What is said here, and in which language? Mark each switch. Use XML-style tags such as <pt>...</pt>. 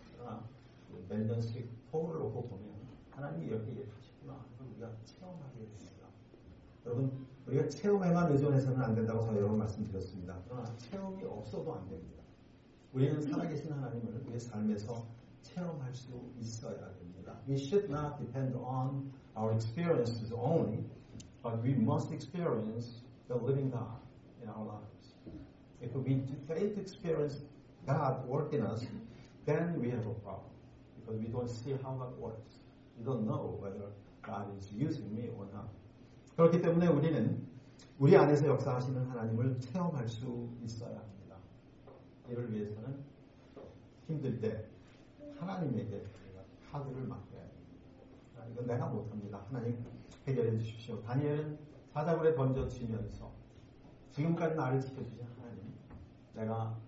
<ko>그러나 몇 년씩 폭을 놓고 보면 하나님이 이렇게 일하시구나 그걸 우리가 체험하게 됩니다. 여러분 우리가 체험에만 의존해서는 안 된다고 제가 여러 번 말씀드렸습니다. 그러나 체험이 없어도 안 됩니다. 우리는 살아계신 하나님을 우리의 삶에서 체험할 수 있어야 됩니다.</ko> <en>We should not depend on our experiences only, but we must experience the living God in our lives. If we fail to experience God working us, then we have a problem. Because we don't see how God works. We don't know whether God is using me or not.</en> <ko>그렇기 때문에 우리는 우리 안에서 역사하시는 하나님을 체험할 수 있어야 합니다. 이를 위해서는 힘들 때 하나님에게 카드를 맡겨야 합니다. 이건 내가 못합니다. 하나님 해결해 주십시오. 다니엘은 사자굴에 던져지면서 지금까지 나를 지켜주신 하나님 내가</ko>